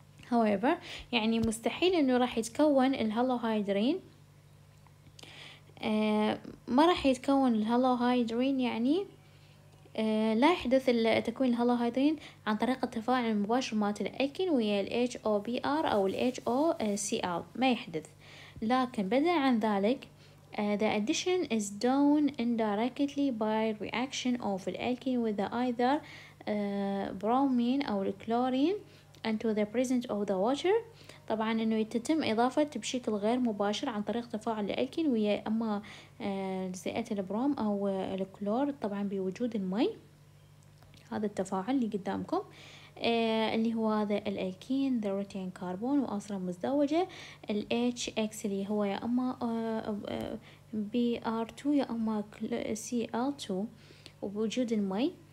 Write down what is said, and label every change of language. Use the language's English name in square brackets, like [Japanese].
[Arabic] However, يعني مستحيل إنه راح يتكون الهالوهايدرين. ما راح يتكون الهالوهايدرين يعني لا يحدث تكوين الهالوهايدرين عن طريق التفاعل المباشر مع الألكين ويا HOBr أو HOCl، ما يحدث. لكن بدلا عن ذلك [English] the addition is done indirectly by reaction of the alkene with the either bromine or chlorine into the presence of the water. [Arabic] طبعا انه يتتم اضافة بشكل غير مباشر عن طريق تفاعل الالكين ويا اما جزيئة البروم او الكلور، طبعا بوجود الماء. هذا التفاعل اللي قدامكم اللي هو هذا الالكين ذروتين كربون واسره مزدوجه الاتش اكس اللي هو يا اما بي ار 2 يا اما سي ال 2 وبوجود المي.